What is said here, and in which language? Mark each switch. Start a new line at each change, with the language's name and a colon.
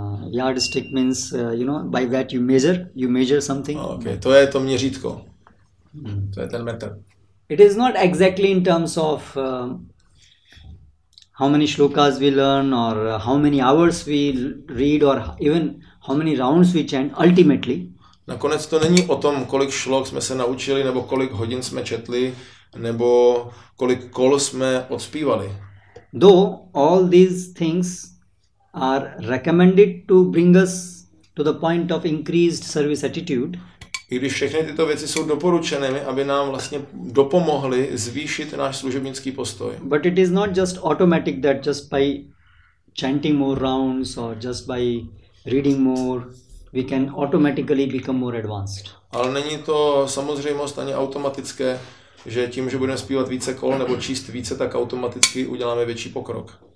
English: yardstick means you know by that you measure something.
Czech: Okay, to je to měřítko. To je ten metr.
English: It is not exactly in terms of how many shlokas we learn or how many hours we read or even how many rounds we chant ultimately.
Czech: Nakonec to není o tom, kolik šlok jsme se naučili nebo kolik hodin jsme četli nebo kolik kol jsme odspívali.
English: Though all these things are recommended to bring us to the point of increased service attitude.
Czech: I když všechny tyto věci jsou doporučené, aby nám vlastně dopomohly zvýšit náš služebnický postoj.
English: But it is not just automatic that just by chanting more rounds or just by reading more we can automatically become more advanced.
Czech: Ale není to samozřejmost ani automatické, že tím, že budeme zpívat více kol nebo číst více, tak automaticky uděláme větší pokrok.